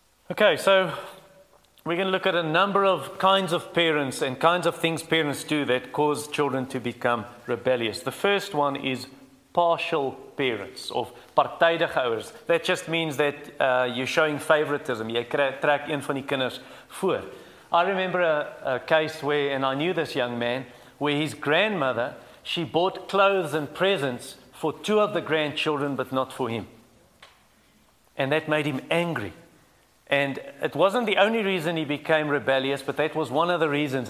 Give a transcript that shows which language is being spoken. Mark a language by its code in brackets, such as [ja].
[en] Okay, so we're going to look at a number of kinds of parents and kinds of things parents do that cause children to become rebellious. The first one is partial parents, [af] of partijdige ouers. [en] That just means that you're showing favoritism. [af] Jy trek een van die kinders voor. [en] I remember a case where, and I knew this young man, where his grandmother, she bought clothes and presents for two of the grandchildren, but not for him. And that made him angry. And it wasn't the only reason he became rebellious, but that was one of the reasons.